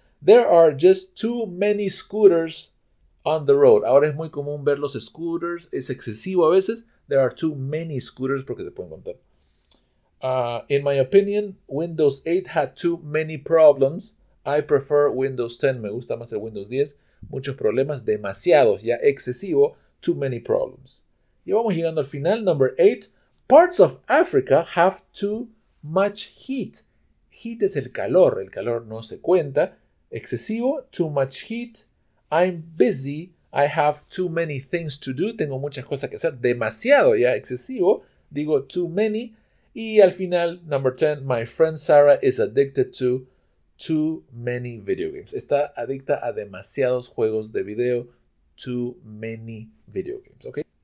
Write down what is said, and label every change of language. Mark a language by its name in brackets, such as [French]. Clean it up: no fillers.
[English] There are just too many scooters on the road. [Spanish] Ahora es muy común ver los scooters, es excesivo a veces. [English] There are too many scooters, [Spanish] porque se pueden contar. [English] In my opinion, Windows 8 had too many problems. I prefer Windows 10, [Spanish] me gusta más el Windows 10. Muchos problemas, demasiados, ya excesivo, [English] too many problems. [Spanish] Y vamos llegando al final, [English] number 8. Parts of Africa have too much heat. [Spanish] Heat es el calor no se cuenta. Excesivo, [English] too much heat. I'm busy, I have too many things to do. [Spanish] Tengo muchas cosas que hacer, demasiado ya, excesivo. Digo [English] too many. [Spanish] Y al final, [English] number 10, my friend Sarah is addicted to too many video games. [Spanish] Está adicta a demasiados juegos de video, [English] too many video games, [Spanish] ¿ok?